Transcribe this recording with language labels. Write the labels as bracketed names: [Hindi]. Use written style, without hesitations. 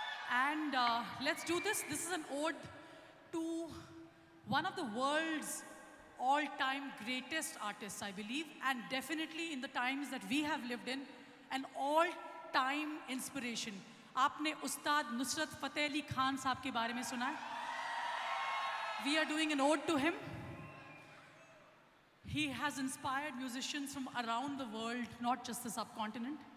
[English] And let's do this. This is an ode to one of the world's all-time greatest artists, I believe, and definitely in the times that we have lived in, an all-time inspiration. [Hindi] आपने उस्ताद नुसरत फतेह अली खान साहब के बारे में सुना है? [English] We are doing an ode to him. He has inspired musicians from around the world, not just the subcontinent.